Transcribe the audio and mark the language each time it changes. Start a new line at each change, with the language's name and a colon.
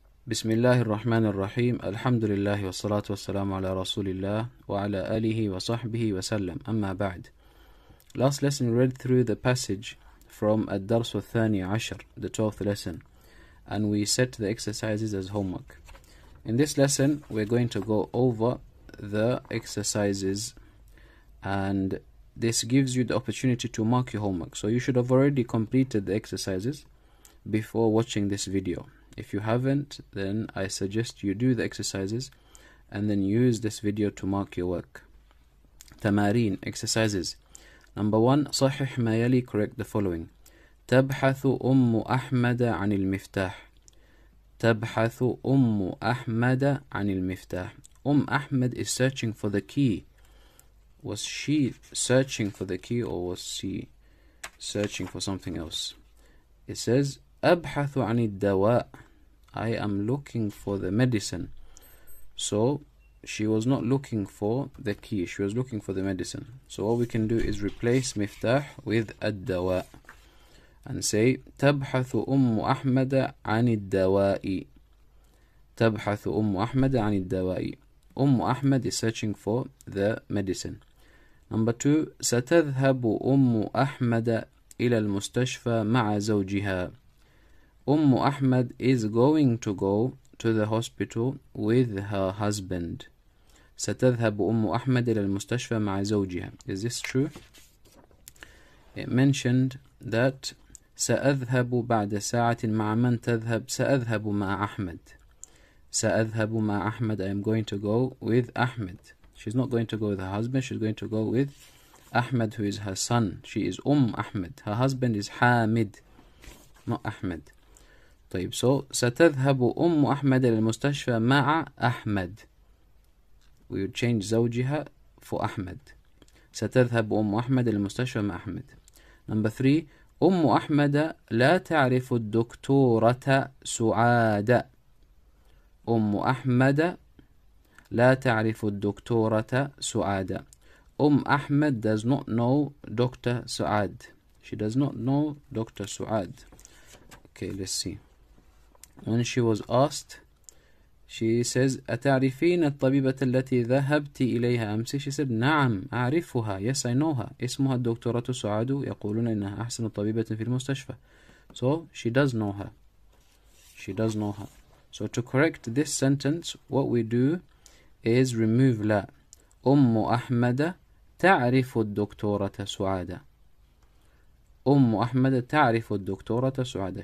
Arabic: بسم الله الرحمن الرحيم الحمد لله والصلاة والسلام على رسول الله وعلى آله وصحبه وسلم أما بعد.
English: Last lesson we read through the passage from
Arabic: الدرس الثاني عشر,
English: the 12th lesson, and we set the exercises as homework. In this lesson we're going to go over the exercises, and this gives you the opportunity to mark your homework. So you should have already completed the exercises before watching this video. If you haven't, then I suggest you do the exercises and then use this video to mark your work. Tamarin, exercises. Number one,
Arabic: صحح ما يلي,
English: correct the following.
Arabic: تبحث أم أحمد عن المفتاح. تبحث أم أحمد عن المفتاح.
English: أم أحمد is searching for the key. Was she searching for the key or was she searching for something else? It says,
Arabic: أبحث عن الدواء.
English: I am looking for the medicine. So she was not looking for the key, she was looking for the medicine. So what we can do is replace miftah with الدواء and say
Arabic: تبحث أم أحمد عن الدواء. تبحث أم أحمد عن الدواء. أم أحمد
English: is searching for the medicine. Number two,
Arabic: ستذهب أم أحمد إلى المستشفى مع زوجها.
English: أم أحمد is going to go to the hospital with her husband.
Arabic: ستذهب أم أحمد إلى المستشفى مع زوجها.
English: Is this true? It mentioned that
Arabic: سأذهب بعد ساعة مع من تذهب. سأذهب مع أحمد. سأذهب مع أحمد.
English: I am going to go with Ahmed. She's not going to go with her husband. She's going to go with Ahmed, who is her son. She is أم أحمد. Her husband is حامد, not أحمد.
Arabic: طيب, so ستذهب أم أحمد إلى المستشفى مع أحمد.
English: We would change زوجها for أحمد.
Arabic: ستذهب أم أحمد إلى المستشفى مع أحمد.
English: Number three,
Arabic: أم أحمد لا تعرف الدكتورة سعادة. أم أحمد لا تعرف الدكتورة سعادة.
English: أم أحمد does not know Dr. سعاد. She does not know Dr. سعاد. Okay, let's see. When she was asked, she says,
Arabic: أتعرفين الطبيبة التي ذهبت إليها أمس?
English: She said,
Arabic: نعم, أعرفها.
English: Yes, I know her.
Arabic: اسمها الدكتورة سعاد. يقولون إنها أحسن طبيبة في المستشفى.
English: So, she does know her. She does know her. So, to correct this sentence, what we do is remove لا.
Arabic: أم أحمد تعرف الدكتورة سعاد. أم أحمد تعرف الدكتورة سعاد.